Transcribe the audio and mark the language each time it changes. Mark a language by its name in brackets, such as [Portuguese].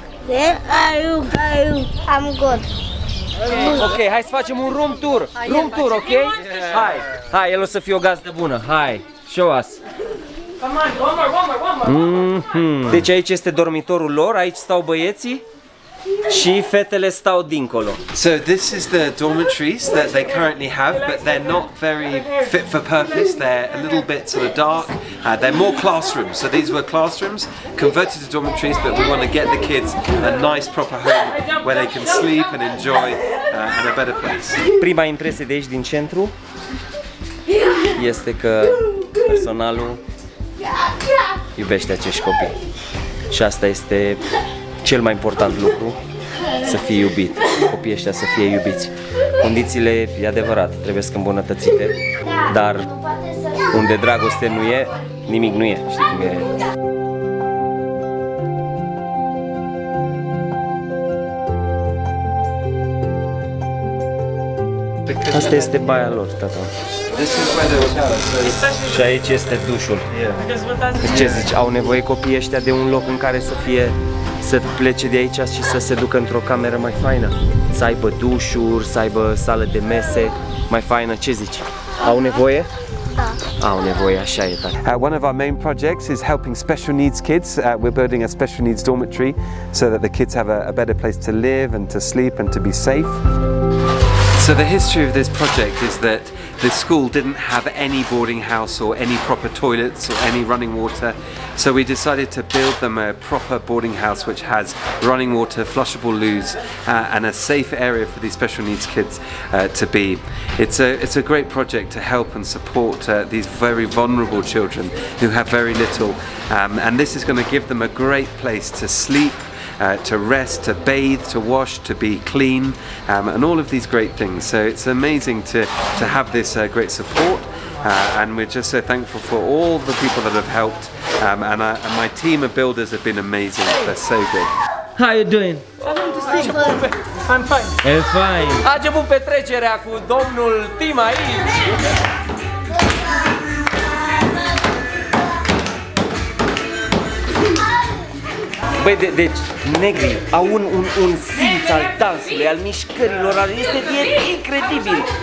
[English] Yeah, how are you? I'm good. [Romanian] Okay, hai să facem un room tour. Room tour, okay? Hai, el o să fie o gazdă bună. [English] Hai, show us. Come on, one more. [Romanian] Deci aici este dormitorul lor, aici stau băieții. Și fetele stau dincolo. [English] So this is the dormitories that they currently have, but they're not very fit for purpose. They're a little bit sort of dark. They're more classrooms. So these were classrooms converted to dormitories, but we want to get the kids a nice proper home where they can sleep and enjoy in a better place. [Romanian] Prima impresie de aici din centru este că personalul iubește acești copii. Și asta este cel mai important lucru, să fie iubit. Copiii ăștia să fie iubiți. Condițiile, e adevărat, trebuie să îmbunătățite, dar unde dragoste nu e, nimic nu e. Știi cum e? Asta este baia lor, tata. Și aici este dușul. Ce zici, au nevoie copiii ăștia de un loc în care să fie, să plece de aici și să se ducă într-o cameră mai faină. Să aibă dușuri, să aibă sală de mese mai faină. Ce zici? Au nevoie? Da. Au nevoie, așa e tare. [English] One of our main projects is helping special needs kids. We're building a special needs dormitory so that the kids have a better place to live and to sleep and to be safe. So the history of this project is that the school didn't have any boarding house or any proper toilets or any running water. So we decided to build them a proper boarding house which has running water, flushable loos, and a safe area for these special needs kids to be. It's a great project to help and support these very vulnerable children who have very little. And this is going to give them a great place to sleep, to rest, to bathe, to wash, to be clean, and all of these great things. So it's amazing to have this great support, and we're just so thankful for all the people that have helped, and my team of builders have been amazing. They're so good. How are you doing? I'm fine. I'm fine. [Romanian] A început petrecerea cu domnul Tim aici. Băi, deci, negri au un simț al dansului, al mișcărilor, este incredibil.